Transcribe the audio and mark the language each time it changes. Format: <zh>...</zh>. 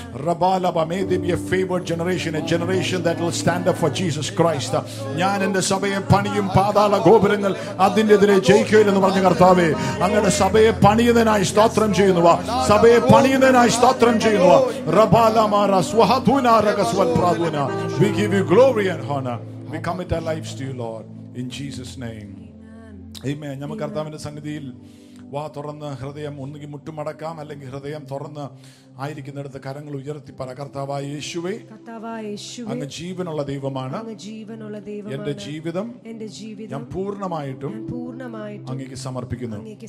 <en>റബാലബ, may they be a favoured generation, a generation that will stand up for Jesus Christ.</en> <ml>ഞാൻ എൻ്റെ സഭയെ പണിയും, പാതാള ഗോപുരങ്ങൾ അതിൻ്റെതിരെ ജയിക്കുകയും എന്ന് പറഞ്ഞ കർത്താവേ, അങ്ങയുടെ സഭയെ പണിയുന്നതിനായി സ്തോത്രം ചെയ്യുന്നു. സഭയെ പണിയുന്നതിനായി സ്തോത്രം ചെയ്യുന്നു. റബാല</ml> <en>We give you glory and honor. We commit our lives to you, Lord, in Jesus' name. Amen. Amen.</en> <ml>നമുക്ക് കർത്താവിന്റെ സന്നിധിയിൽ വാ തുറന്ന് ഹൃദയം ഒന്നുകിൽ മുട്ടുമടക്കാം, അല്ലെങ്കിൽ ഹൃദയം തുറന്ന് ആയിരിക്കുന്നിടത്ത് കരങ്ങൾ ഉയർത്തി പറ. കർത്താവായ യേശുവേ, അങ്ങ് ജീവനുള്ള ദൈവമാണ്. എന്റെ ജീവിതം ഞാൻ പൂർണ്ണമായിട്ടും അങ്ങേക്ക് സമർപ്പിക്കുന്നു.</ml>